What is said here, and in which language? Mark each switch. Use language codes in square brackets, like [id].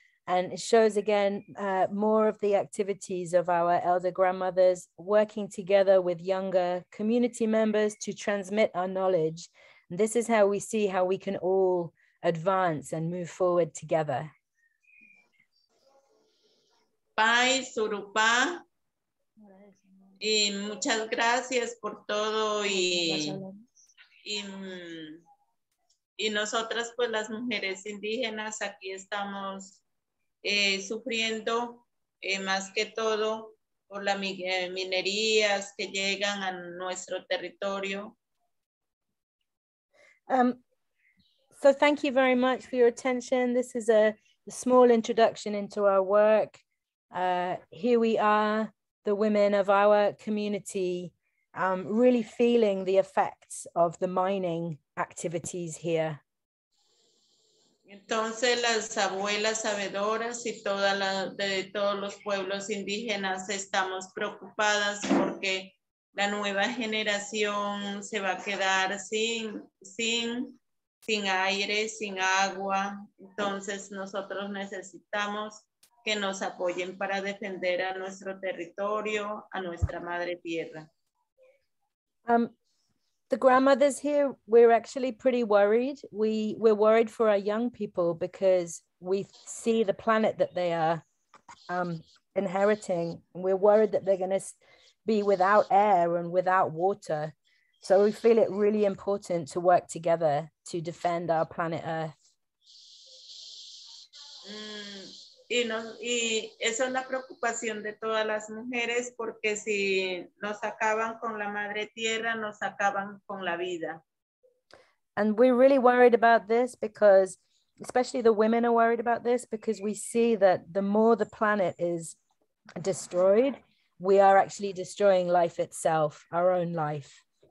[en] And it shows again more of the activities of our elder grandmothers working together with younger community members to transmit our knowledge. And this is how we see how we can all advance and move forward together. [es] Pai Surupa, y muchas gracias por todo y nosotras pues las mujeres indígenas aquí estamos. Sufriendo más que todo por las minerías que llegan a nuestro territorio. [en] So thank you very much for your attention. This is a small introduction into our work. Here we are, the women of our community, really feeling the effects of the mining activities here. [es] Entonces las abuelas sabedoras y de todos los pueblos indígenas estamos preocupadas porque la nueva generación se va a quedar sin aire, sin agua. Entonces nosotros necesitamos que nos apoyen para defender a nuestro territorio, a nuestra madre tierra. [en] The grandmothers here, we're actually pretty worried. We're worried for our young people because we see the planet that they are inheriting. We're worried that they're going to be without air and without water. So we feel it really important to work together to defend our planet Earth. [es] Y esa es la preocupación de todas las mujeres, porque si nos acaban con la madre tierra, nos acaban con la vida. [en] And we're really worried about this because, especially the women are worried about this, because we see that the more the planet is destroyed, we are actually destroying life itself, our own life.